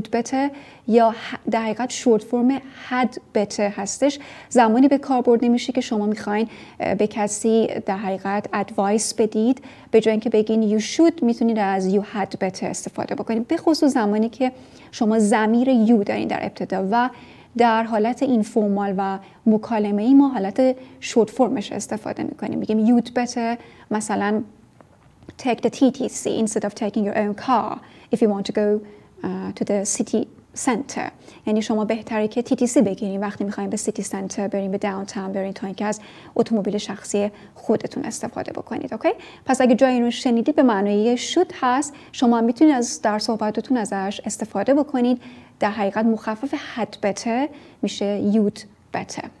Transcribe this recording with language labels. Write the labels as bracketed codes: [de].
[fa] you'd better یا در حقیقت شورت فرم had better هستش، زمانی به کار برده میشه که شما میخواین به کسی در حقیقت advice بدید، به جای اینکه بگین you should میتونید از you had better استفاده بکنید، به خصوص زمانی که شما ضمیر you دارین در ابتدا و در حالت اینفورمال و مکالمه ای ما حالت شورت فرمش استفاده میکنیم. میگیم [en] you'd better [fa] مثلا [en] take the TTC instead of taking your own car if you want to go to the city center. [fa] یعنی شما بهتره که TTC بگیریم وقتی میخواییم به سیتی سنتر بریم، به داونتاون بریم، تا اینکه از اتومبیل شخصی خودتون استفاده بکنید. اوکی؟ پس اگه جای اینو شنیدید به معنی should هست، شما میتونید از در صحبتتون ازش استفاده بکنید. در حقیقت مخفف had better میشه you'd better.